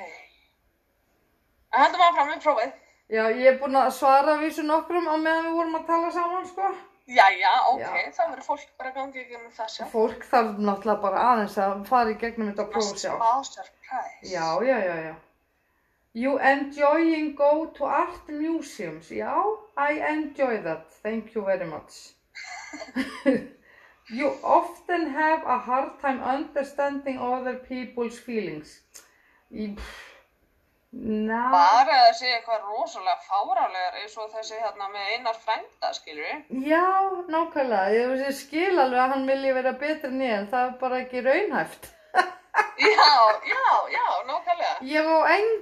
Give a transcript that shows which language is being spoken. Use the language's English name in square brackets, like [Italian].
[Icelandic] Nei. En heldur maður fram með prófið. Já, ég er búin að svara að vísu nokkrum á meðan við vorum að tala saman, sko. Jæja, ok, já. Það verður fólk bara að ganga í gegnum það sjálf. Fólk þarf náttúrulega bara aðeins að fara í gegnum þetta próf sjálf. Master surprise. Já, já, já, já. [English] You enjoying go to art museums, já, I enjoy that, thank you very much. You often have a hard time understanding other people's feelings. [Icelandic] Bara að segja eitthvað rosalega fáralegar eins og þessi hérna með Einar frænda, skilur við? Já, nákvæmlega. Ég skil alveg að hann vilji vera betri en ég en það er bara ekki raunhæft. Já, já, já, nákvæmlega.